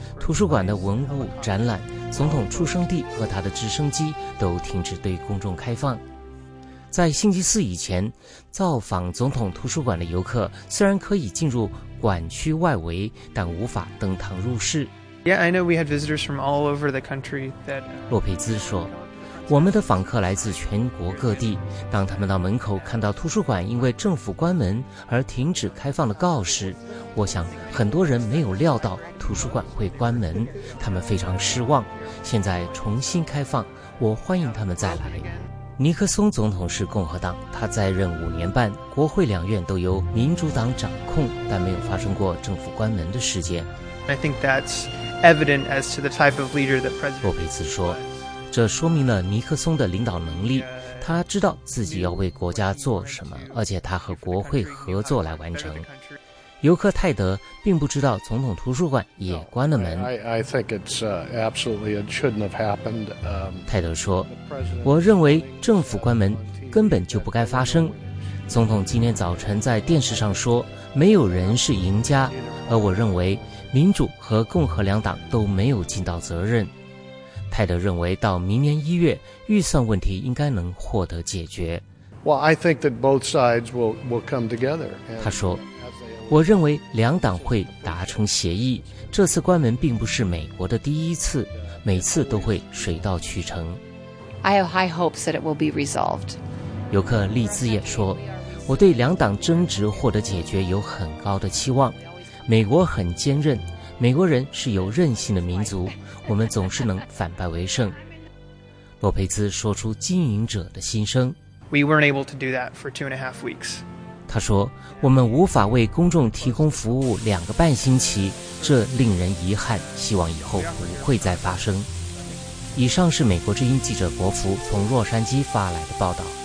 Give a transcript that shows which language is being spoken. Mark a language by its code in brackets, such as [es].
[zh] 图书馆的文物展览、总统出生地和他的直升机都停止对公众开放。在星期四以前，造访总统图书馆的游客虽然可以进入馆区外围，但无法登堂入室。 [en] Yeah, I know we had visitors from all over the country. That [zh] 洛佩兹说，我们的访客来自全国各地。当他们到门口看到图书馆因为政府关门而停止开放的告示，我想很多人没有料到图书馆会关门，他们非常失望。现在重新开放，我欢迎他们再来。尼克松总统是共和党，他在任五年半，国会两院都由民主党掌控，但没有发生过政府关门的事件。 [en] I think that's evident as to the type of leader that President. [zh] 洛佩兹说，这说明了尼克松的领导能力，他知道自己要为国家做什么，而且他和国会合作来完成。游客泰德并不知道总统图书馆也关了门。 [en] I think it's absolutely it shouldn't have happened. [zh] 泰德说，我认为政府关门根本就不该发生。总统今天早晨在电视上说，没有人是赢家，而我认为民主和共和两党都没有尽到责任。泰德认为到明年一月预算问题应该能获得解决。 [en] Well, I think that both sides will come together. [zh] 他说，我认为两党会达成协议，这次关门并不是美国的第一次，每次都会水到渠成。 [en] I have high hopes that it will be resolved. [zh] 游客利兹也说，我对两党争执获得解决有很高的期望。美国很坚韧，美国人是有韧性的民族，我们总是能反败为胜。洛佩兹说出经营者的心声。 [en] We weren't able to do that for 2.5 weeks. [zh] 他说，我们无法为公众提供服务两个半星期，这令人遗憾，希望以后不会再发生。以上是美国之音记者国福从洛杉矶发来的报道。